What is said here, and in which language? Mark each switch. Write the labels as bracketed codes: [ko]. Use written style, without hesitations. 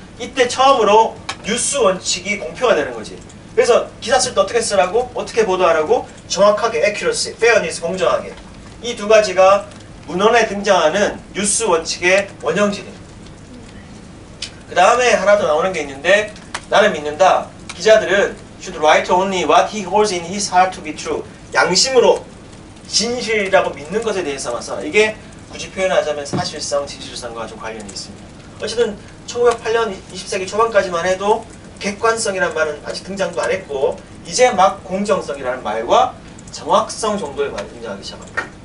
[ko] 이때 처음으로 뉴스 원칙이 공표가 되는 거지. 그래서 기사 쓸 때 어떻게 쓰라고, 어떻게 보도하라고, 정확하게 accuracy, fairness, 공정하게. 이 두 가지가 문헌에 등장하는 뉴스 원칙의 원형질이에요. 그 다음에 하나 더 나오는 게 있는데, 나를 믿는다. [en] 기자들은 should write only what he holds in his heart to be true. [ko] 양심으로 진실이라고 믿는 것에 대해서만 써라. 이게 굳이 표현하자면 사실상 진실성과 좀 관련이 있습니다. 어쨌든 1908년 20세기 초반까지만 해도 객관성이라는 말은 아직 등장도 안 했고, 이제 막 공정성이라는 말과 정확성 정도의 말이 등장하기 시작합니다.